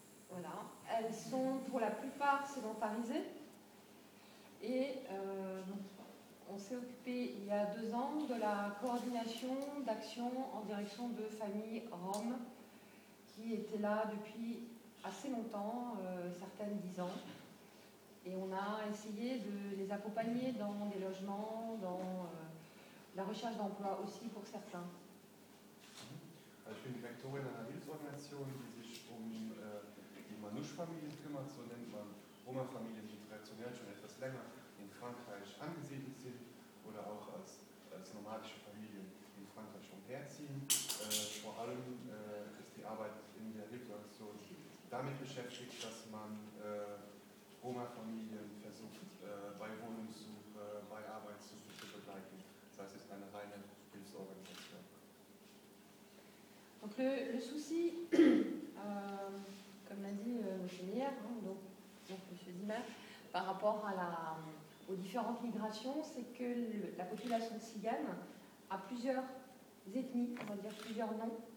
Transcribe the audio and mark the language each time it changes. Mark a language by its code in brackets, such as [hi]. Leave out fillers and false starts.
[fr] Voilà. Elles sont pour la plupart sédentarisées. Et on s'est occupé il y a 2 ans de la coordination d'action en direction de familles roms qui étaient là depuis assez longtemps, certaines 10 ans. Et on a essayé de les accompagner dans des logements, dans la recherche d'emploi aussi pour certains. [de] Ich bin Direktorin einer Hilfsorganisation, die sich die Manouche-Familien kümmert, so nennt man Roma-Familien, die traditionell schon etwas länger in Frankreich angesiedelt sind oder auch als nomadische Familien in Frankreich schon herziehen. Vor allem ist die Arbeit in der Hilfsorganisation damit beschäftigt, dass man Roma-Familien versucht, bei Wohnungssuche, bei Arbeitssuche zu begleiten. Das heißt, es ist eine reine Hilfsorganisation. [fr] Donc le souci, comme l'a dit M. Meyer, hein, donc M. Dimer, par rapport à aux différentes migrations, c'est que la population tzigane a plusieurs ethnies, on va dire plusieurs noms.